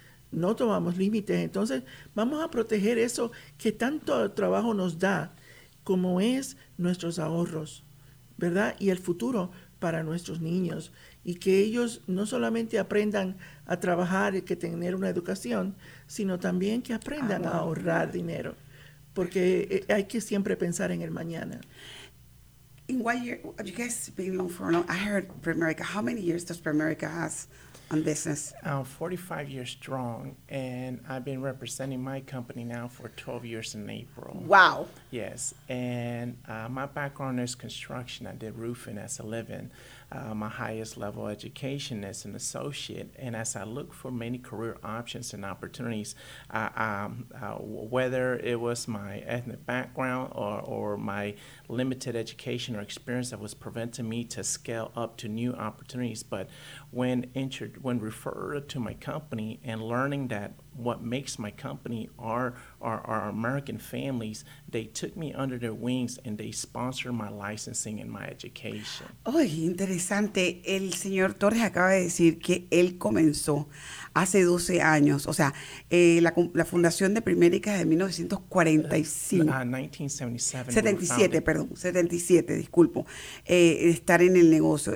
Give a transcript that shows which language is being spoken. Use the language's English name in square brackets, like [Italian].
[Spanish] No tomamos límites. Entonces, vamos a proteger eso que tanto trabajo nos da, como es nuestros ahorros, ¿verdad? Y el futuro para nuestros niños. Y que ellos no solamente aprendan a trabajar y que tener una educación, sino también que aprendan a ahorrar dinero. Porque hay que siempre pensar en el mañana. [English] In what year, have you guys been long for long? I heard Primerica. How many years does Primerica has on business? 45 years strong, and I've been representing my company now for 12 years in April. Wow. Yes, and my background is construction. I did roofing as a living. My highest level education is an associate, and as I look for many career options and opportunities, whether it was my ethnic background or my limited education or experience that was preventing me to scale up to new opportunities, but when referred to my company and learning that what makes my company are American families, they took me under their wings and they sponsored my licensing and my education. [Spanish] Oh, interesante. El señor Torres acaba de decir que él comenzó hace 12 años. O sea, la fundación de Primerica es de 1945. 77, perdón. 77, disculpo. Estar en el negocio.